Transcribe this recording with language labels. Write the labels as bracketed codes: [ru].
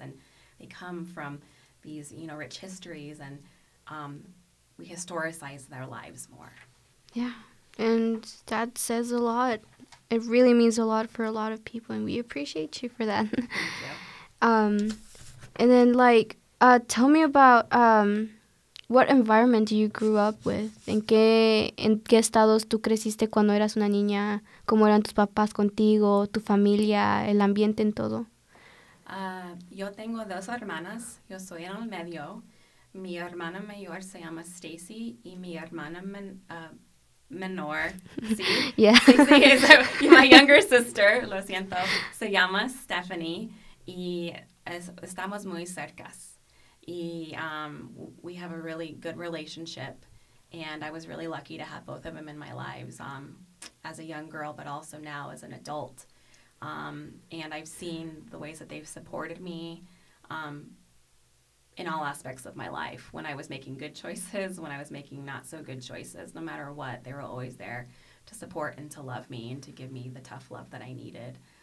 [en] And they come from these, you know, rich histories, and we historicize their lives more. Yeah, and that says a lot. It really means a lot for a lot of people, and we appreciate you for that. Thank you. And then, like, tell me about what environment you grew up with. [es] ¿En qué estados tú creciste cuando eras una niña? ¿Cómo eran tus papás contigo, tu familia, el ambiente en todo? Yo tengo dos hermanas. Yo soy en el medio. Mi hermana mayor se llama Stacy y mi hermana menor, ¿sí? [en] Yeah. Stacy is my younger sister, [es] lo siento, se llama Stephanie y estamos muy cercas. [en] Y we have a really good relationship, and I was really lucky to have both of them in my lives as a young girl, but also now as an adult. And I've seen the ways that they've supported me in all aspects of my life, when I was making good choices, when I was making not so good choices, no matter what, they were always there to support and to love me and to give me the tough love that I needed.